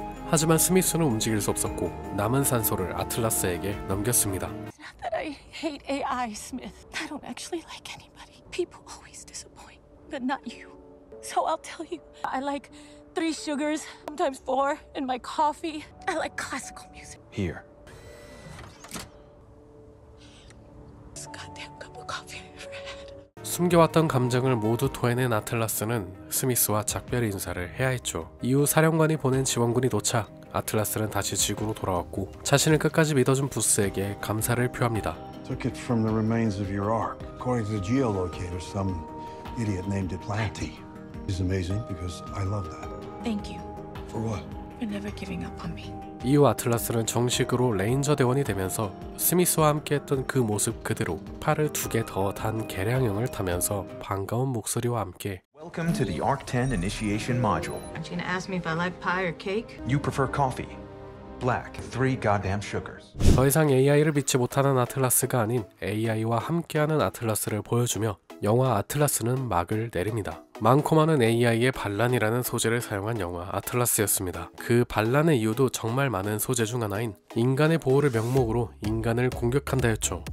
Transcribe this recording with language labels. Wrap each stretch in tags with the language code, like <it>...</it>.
<ko>하지만 스미스는 움직일 수 없었고 남은 산소를 아틀라스에게 넘겼습니다.</ko> <en>It's not that I hate AI, Smith. I don't actually like anybody. People always disappoint, but not you. So I'll tell you. I like three sugars, sometimes four, in my coffee. I like classical music. Here. This goddamn cup of coffee.</en> <ko>숨겨왔던 감정을 모두 토해낸 아틀라스는 스미스와 작별 인사를 해야 했죠. 이후 사령관이 보낸 지원군이 도착, 아틀라스는 다시 지구로 돌아왔고 자신을 끝까지 믿어준 부스에게 감사를 표합니다.</ko> <en>Took it from the remains of your ark. According to the geolocator, some idiot named it Planty. It's amazing because I love that. Thank you. For what? For never giving up on me.</en> <ko>이후 아틀라스는 정식으로 레인저 대원이 되면서 스미스와 함께 했던 그 모습 그대로 팔을 두 개 더 단 계량형을 타면서 반가운 목소리와 함께</ko> <en>Welcome to the Arc 10 initiation module. Aren't you gonna ask me if I like pie or cake? You prefer coffee. Black, three goddamn sugars.</en> <ko>더 이상 AI를 믿지 못하는 아틀라스가 아닌 AI와 함께하는 아틀라스를 보여주며 영화 아틀라스는 막을 내립니다. 많고 많은 AI의 반란이라는 소재를 사용한 영화 아틀라스였습니다. 그 반란의 이유도 정말 많은 소재 중 하나인 인간의 보호를 명목으로 인간을 공격한다였죠.</ko>